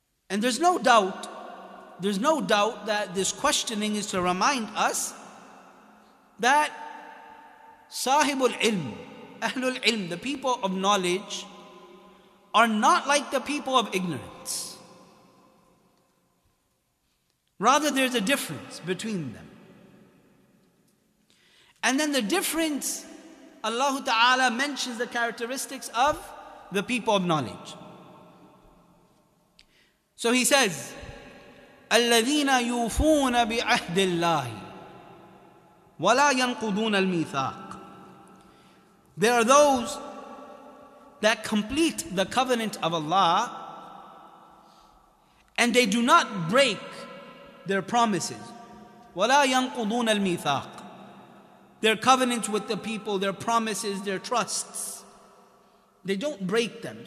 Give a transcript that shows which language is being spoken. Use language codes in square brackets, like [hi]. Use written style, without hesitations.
[en] And there's no doubt that this questioning is to remind us that sahibul ilm, ahlul ilm, the people of knowledge, are not like the people of ignorance. Rather, there's a difference between them. And then the difference, Allah Ta'ala mentions the characteristics of the people of knowledge. So He says, [ar] الَّذِينَ يُوفُونَ بِعَهْدِ اللَّهِ وَلَا يَنْقُضُونَ الْمِيثَاقِ. [en] There are those that complete the covenant of Allah and they do not break their promises. [ar] وَلَا يَنْقُضُونَ الْمِيثَاقِ. [en] Their covenant with the people, their promises, their trusts, they don't break them.